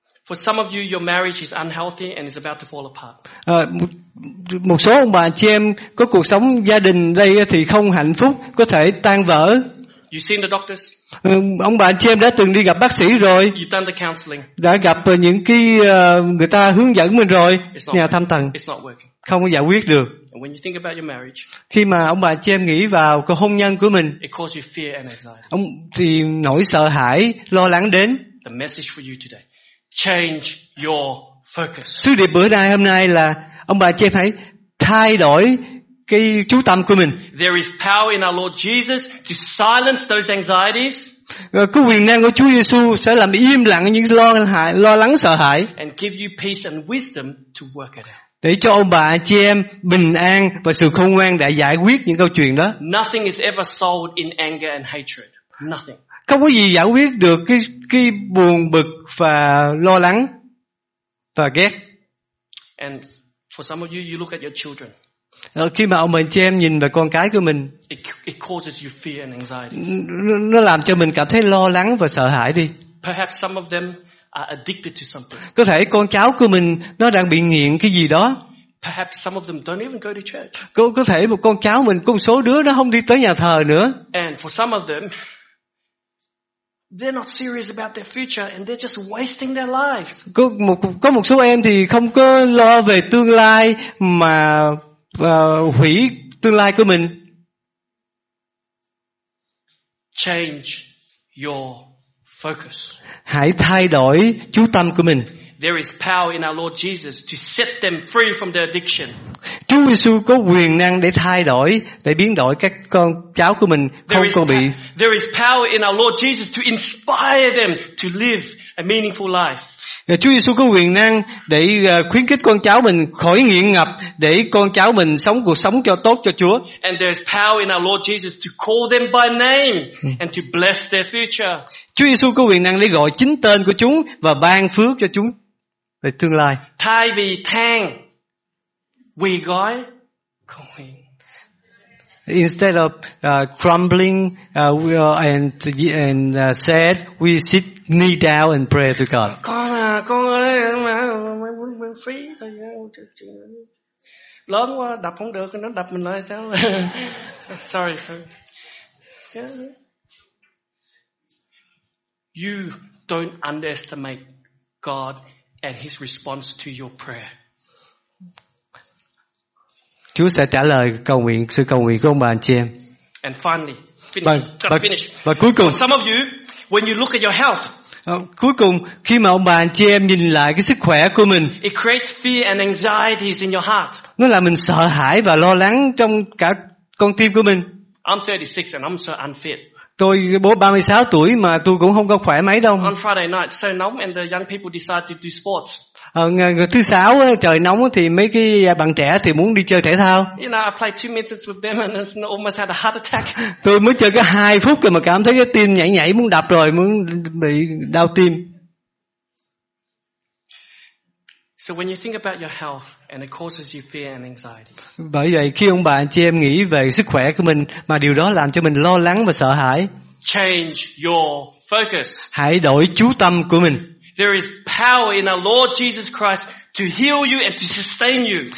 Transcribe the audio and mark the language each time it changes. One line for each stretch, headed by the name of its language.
English: For some of you, your marriage is unhealthy and is about to fall apart.
Vietnamese: Một số ông bà chị em có cuộc sống gia đình đây thì không hạnh phúc, có thể tan vỡ.
English: You've seen the doctors.
Vietnamese: Ông bà chị em đã từng đi gặp bác sĩ rồi.
English: You've done the counseling.
Vietnamese: Đã gặp những cái người ta hướng dẫn mình rồi, nhà thăm tầng.
English: It's not working.
Vietnamese: Không giải quyết được.
English: And when you think about your marriage,
Vietnamese: khi mà ông bà chị em nghĩ vào cuộc hôn nhân của mình,
English: it causes you fear and anxiety.
Vietnamese: Ông thì nỗi sợ hãi, lo lắng đến.
English: The message for you today. Change your focus.
Vietnamese: Sứ điệp bữa nay hôm nay là ông bà chị em hãy thay đổi cái chú tâm của mình.
English: There is power in our Lord Jesus to silence those anxieties.
Vietnamese: Cái quyền năng của Chúa Giêsu sẽ làm im lặng những lo lắng sợ hãi.
English: And give you peace and wisdom to work it out.
Vietnamese: Để cho ông bà chị em bình an và sự khôn ngoan để giải quyết những câu chuyện đó.
English: Nothing is ever solved in anger and hatred. Nothing.
Vietnamese: Không có gì giải quyết được cái buồn bực và lo lắng và ghét.
English: And for some of you, you look at your children.
Vietnamese: Khi mà ông mình chị em nhìn vào con cái của mình,
English: it causes you fear and anxiety.
Vietnamese: Nó làm cho mình cảm thấy lo lắng và sợ hãi đi.
English: Perhaps some of them are addicted to something.
Vietnamese: Có thể con cháu của mình nó đang bị nghiện cái gì đó.
English: Perhaps some of them don't even go to church.
Vietnamese: Có thể một con cháu mình, có một số đứa nó không đi tới nhà thờ nữa.
English: And for some of them, they're not serious about their future and they're just wasting their lives.
Vietnamese: Có một số em thì không có lo về tương lai mà hủy tương lai của mình.
English: Change your focus.
Vietnamese: Hãy thay đổi chú tâm của mình.
English: There is power in our Lord Jesus to set them free from their addiction.
Vietnamese: Chúa Giêsu có quyền năng để thay đổi, để biến đổi các con cháu của mình không còn bị.
English: There is power in our Lord Jesus to inspire them to live a meaningful life.
Vietnamese: Chúa Giêsu có quyền năng để khuyến khích con cháu mình khỏi nghiện ngập, để con cháu mình sống cuộc sống cho tốt cho Chúa.
English: And there is power in our Lord Jesus to call them by name and to bless their future.
Vietnamese: Chúa Giêsu có quyền năng để gọi chính tên của chúng và ban phước cho chúng về tương lai. Thay vì than, we gọi cầu nguyện.
English: Instead of crumbling and sad, we sit knee down and pray to God.
Vietnamese: Con ơi, mình phí thôi, lớn quá đập không được, nó đập mình lại sao?
English: sorry. You don't underestimate God and His response to your prayer.
Vietnamese: Chúa sẽ trả lời cầu nguyện, sự cầu nguyện của ông bà anh chị em.
English: And finally, finish.
Vietnamese: Và cuối cùng,
English: for some of you, when you look at your health,
Vietnamese: cuối cùng khi mà ông bà anh chị em nhìn lại cái sức khỏe của mình,
English: it creates fear and anxieties in your heart.
Vietnamese: Nó làm mình sợ hãi và lo lắng trong cả con tim của mình.
English: I'm 36 and I'm so unfit.
Vietnamese: Tôi bố 36 tuổi mà tôi cũng không có khỏe mấy đâu.
English: On Friday night, so nóng and the young people decide to do sports.
Vietnamese: Thứ sáu trời nóng thì mấy cái bạn trẻ thì muốn đi chơi thể thao.
English: You know, I played 2 minutes with them and almost had a heart attack.
Vietnamese: Tôi mới chơi có 2 phút rồi mà cảm thấy cái tim nhảy nhảy muốn đập rồi, muốn bị đau tim.
English: So when you think about your health and it causes you fear and anxiety.
Vietnamese: Bởi vậy khi ông bà anh chị em nghĩ về sức khỏe của mình mà điều đó làm cho mình lo lắng và sợ hãi.
English: Change your focus.
Vietnamese: Hãy đổi chú tâm của mình.
English: There is power in our Lord Jesus Christ to heal you and to sustain you.